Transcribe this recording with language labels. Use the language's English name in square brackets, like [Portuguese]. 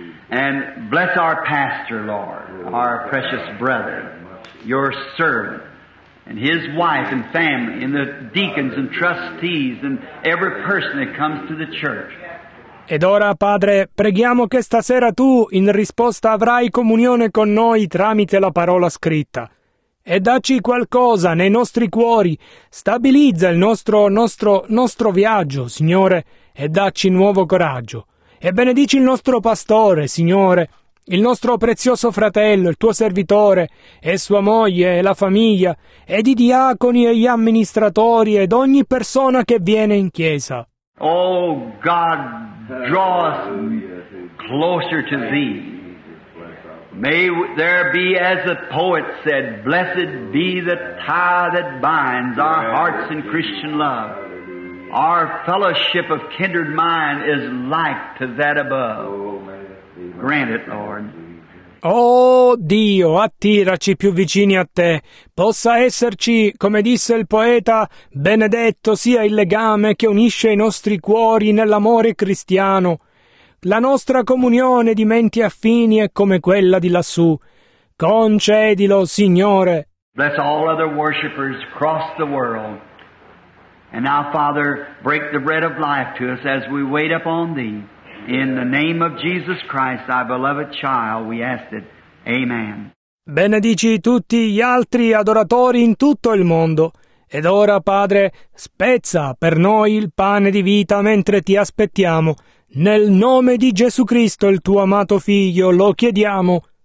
[English] And bless our pastor, Lord, our precious brother, Your servant, and his wife and family, and the deacons and trustees, and every person that comes to the church. [Italian] Ed ora, Padre, preghiamo che stasera Tu, in risposta, avrai comunione con noi tramite la parola scritta. E dacci qualcosa nei nostri cuori, stabilizza il nostro viaggio, Signore, e dacci nuovo coraggio. E benedici il nostro pastore, Signore, il nostro prezioso fratello, il Tuo servitore, e sua moglie, e la famiglia, ed i diaconi e gli amministratori, ed ogni persona che viene in chiesa. [English] Oh, God, draw us closer to Thee. May there be, as the poet said, blessed be the tie that binds our hearts in Christian love. Our fellowship of kindred mind is like to that above. Grant it, Lord. [Italian] Oh Dio, attiraci più vicini a Te. Possa esserci, come disse il poeta, benedetto sia il legame che unisce i nostri cuori nell'amore cristiano. La nostra comunione di menti affini è come quella di lassù. Concedilo, Signore. [English] Bless all other worshipers across the world. And now, Father, break the bread of life to us as we wait upon Thee. In the name of Jesus Christ, Thy beloved child, we ask it. Amen. [Italian] Benedici tutti gli altri adoratori in tutto il mondo. Ed ora, Padre, spezza per noi il pane di vita mentre Ti aspettiamo. Nel nome di Gesù Cristo, il Tuo amato Figlio, lo chiediamo.